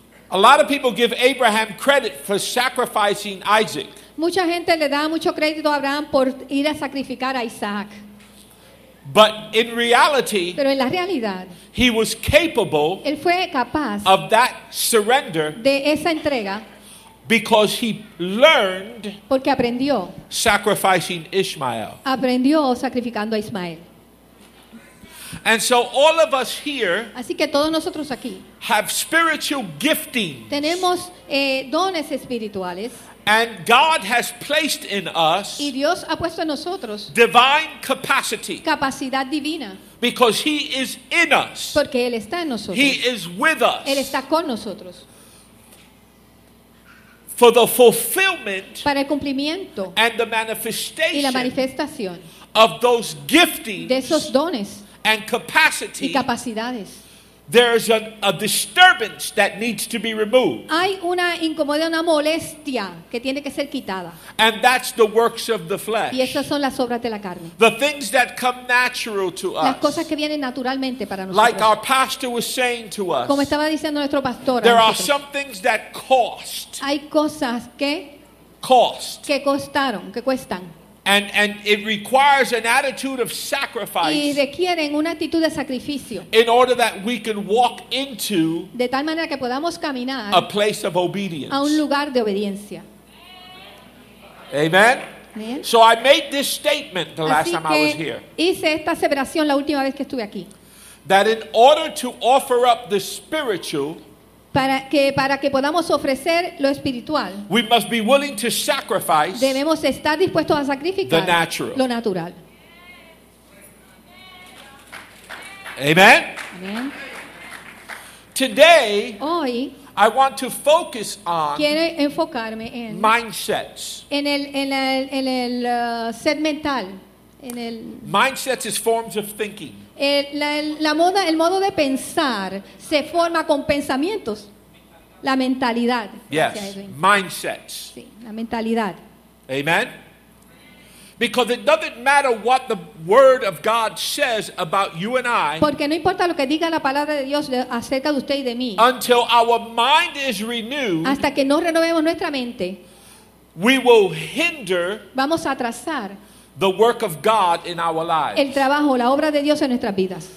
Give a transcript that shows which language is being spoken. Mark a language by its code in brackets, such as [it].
[en] A lot of people give Abraham credit for sacrificing Isaac. [es] Mucha gente le da mucho crédito a Abraham por ir a sacrificar a Isaac. [en] But in reality, [es] pero en la realidad, [en] he was capable, [es] él fue capaz [en] of that surrender, [es] de esa entrega, [en] because he learned, [es] porque aprendió [en] sacrificing Ishmael. [es] Aprendió sacrificando a Ismael. [en] And so all of us here, [es] así que todos nosotros aquí, [en] have spiritual giftings. [es] Tenemos dones espirituales. [en] And God has placed in us, [es] y Dios ha puesto en nosotros, [en] divine capacity. [es] Capacidad divina. [en] Because he is in us. [es] Porque él está en nosotros. [en] He is with us. [es] Él está con nosotros. [en] For the fulfillment, [es] para el cumplimiento, [en] and the manifestation, [es] y la manifestación, [en] of those giftings, [es] de esos dones, [en] and capacity, [es] y capacidades. [en] There's a disturbance that needs to be removed. [es] Hay una incomodidad, una molestia que tiene que ser quitada. [en] And that's the works of the flesh. [es] Y esas son las obras de la carne. [en] The things that come natural to [es] las [en] us. [es] Las cosas que vienen naturalmente para nosotros. [en] Like our pastor was saying to us. [es] Como estaba diciendo nuestro pastor. [en] There are some things that cost. [es] Hay cosas que [en] cost. [es] Que costaron, que cuestan. [en] And it requires an attitude of sacrifice. [es] Y requieren una actitud de sacrificio. [en] In order that we can walk into, [es] de tal manera que podamos caminar, [en] a place of obedience. [es] A un lugar de obediencia. [en] Amen. [es] Bien. [en] So I made this statement the [es] así [en] last time [es] que [en] I was here. [es] Hice esta aseveración la última vez que estuve aquí. [en] That in order to offer up the spiritual, [es] para que podamos ofrecer lo espiritual, [en] we must be willing to sacrifice, [es] debemos estar dispuestos a sacrificar [en] the natural, [es] lo natural. [en] Amen. [es] Amen. [en] Today, [es] hoy, [en] I want to focus on, [es] quiero enfocarme en [en] mindsets, [es] en el set mental, en el [en] mindsets is forms of thinking. [es] El modo de pensar se forma con pensamientos. La mentalidad. [en] Yes, mindsets. [es] Sí, la mentalidad. [en] Amen. Because it doesn't matter what the word of God says about you and I. [es] Porque no importa lo que diga la palabra de Dios acerca de usted y de mí. [en] Until our mind is renewed. [es] Hasta que no renovemos nuestra mente. [en] We will hinder. [es] Vamos a atrasar. [en] The work of God in our lives. [es] El trabajo, la obra de Dios en nuestras vidas.